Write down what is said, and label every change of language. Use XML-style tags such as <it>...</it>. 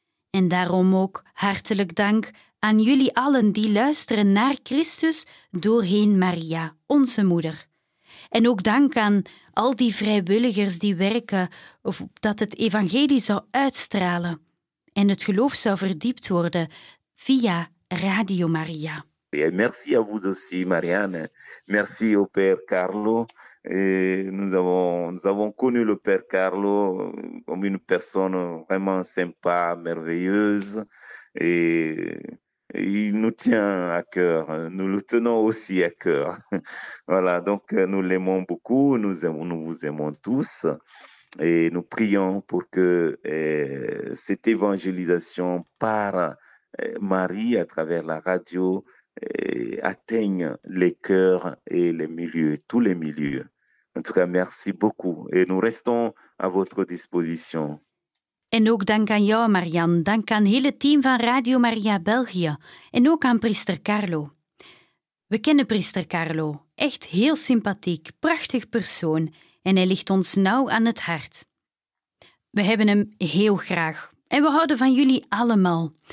<nl>En daarom ook hartelijk dank aan jullie allen die luisteren naar Christus doorheen Maria, onze moeder. En ook dank aan al die vrijwilligers die werken of dat het evangelie zou uitstralen en het geloof zou verdiept worden via Radio Maria.</nl> <fr>Et merci à vous aussi, Marianne. Merci au Père Carlo. Nous avons connu le Père Carlo comme une personne vraiment sympa, merveilleuse. Et il nous tient à cœur. Nous le tenons aussi à cœur. Voilà, donc nous l'aimons beaucoup. Nous vous aimons tous. Et nous prions pour que cette évangélisation par Marie à travers la radio atteigne les cœurs et les milieux, tous les milieux. En tout cas, merci beaucoup et nous restons à votre disposition.</fr> <nl>En ook dank aan jou, Marianne. Dank aan heel het team van Radio Maria België. En ook aan priester Carlo. We kennen priester Carlo. Echt heel sympathiek, prachtig persoon. En hij ligt ons nauw aan het hart. We hebben hem heel graag. En we houden van jullie allemaal.</nl>